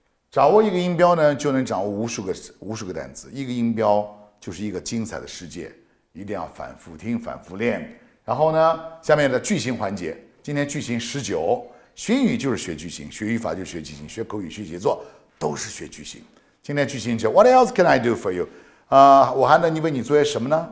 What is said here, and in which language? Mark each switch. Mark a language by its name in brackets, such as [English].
[Chinese] 掌握一个音标呢就能掌握无数个单词。一个音标就是一个精彩的世界一定要反复听反复练。然后呢下面的句型环节今天句型19学语就是学句型学语法就是学句型学口语学写作都是学句型。今天句型就 [English] What else can I do for you? [Chinese] 我还能为你做些什么呢？